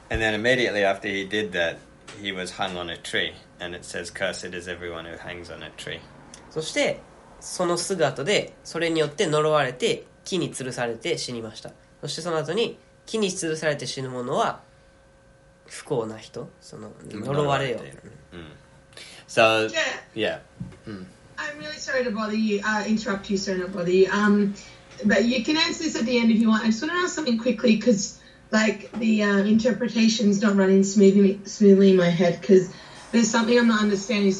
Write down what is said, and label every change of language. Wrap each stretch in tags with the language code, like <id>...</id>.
<en>And then immediately after he did that, he was hung on a tree, and it says, "Cursed is everyone who hangs on a tree."</en> <ja>そしてその姿でそれによって呪われて木に吊るされて死にました。そしてその後に木に吊るされて死ぬ者は不幸な人、その呪われよ。</ja> <en>So, yeah. I'm really sorry to bother you, interrupt you, sorry to bother you. But you can answer this at the end if you want. I just want to ask something quickly because, like, the interpretation's not running smoothly in my head because there's something I'm not understanding.</en>